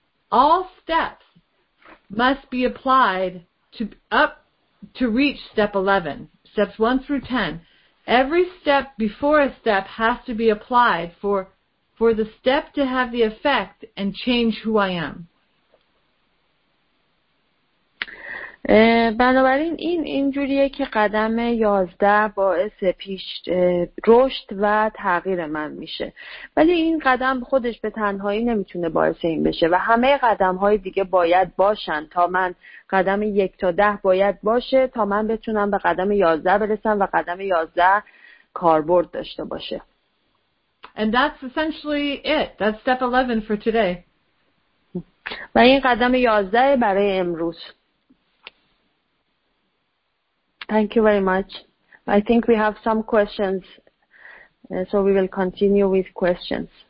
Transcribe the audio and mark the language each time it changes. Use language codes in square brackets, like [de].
[en] All steps must be applied to reach step 11, steps 1 through 10. Every step before a step has to be applied for the step to have the effect and change who I am. [fa] بنابراین این اینجوریه که قدم 11 باعث پیش رشد و تغییر من میشه، ولی این قدم خودش به تنهایی نمیتونه باعث این بشه و همه قدم‌های دیگه باید باشن تا من قدم 1 تا 10 باید باشه تا من بتونم به قدم 11 برسم و قدم 11 کاربرد داشته باشه. [en] And that's essentially it. That's step 11 for today. [fa] و این قدم 11 برای امروز. [en] Thank you very much. I think we have some questions, so we will continue with questions.